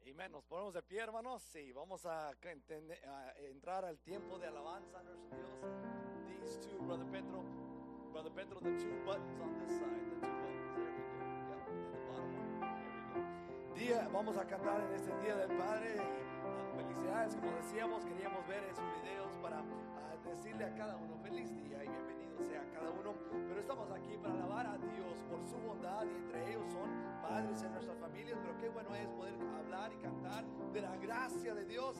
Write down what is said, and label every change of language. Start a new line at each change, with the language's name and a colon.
Spanish: Nos ponemos de pie, hermanos, y vamos a entrar al tiempo de alabanza.
English: These two, Brother Petro, the two buttons on this side, the two buttons, there we go, yeah, at the bottom one, here we go.
Spanish: Día, vamos a cantar en este Día del Padre, felicidades, como decíamos, queríamos ver esos videos para decirle a cada uno feliz día y bienvenido sea a cada uno, pero estamos aquí para alabar a Dios por su bondad y entre ellos son padres en nuestras familias, pero qué bueno es poder hablar y cantar de la gracia de Dios.